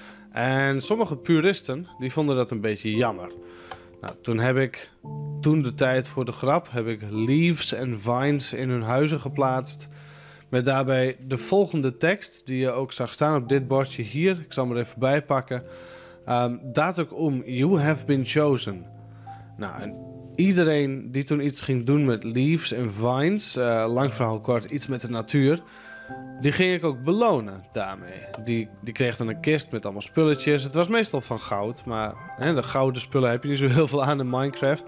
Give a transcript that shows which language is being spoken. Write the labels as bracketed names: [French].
[Dutch] En sommige puristen, die vonden dat een beetje jammer. Nou, toen heb ik, toen de tijd voor de grap, heb ik leaves en vines in hun huizen geplaatst. Met daarbij de volgende tekst, die je ook zag staan op dit bordje hier. Ik zal hem er even bij pakken. [English] Datok om, you have been chosen. [Dutch] Nou, en iedereen die toen iets ging doen met leaves en vines, lang verhaal kort, iets met de natuur. Die ging ik ook belonen daarmee. Die kreeg dan een kist met allemaal spulletjes. Het was meestal van goud, maar hè, de gouden spullen heb je niet zo heel veel aan in Minecraft.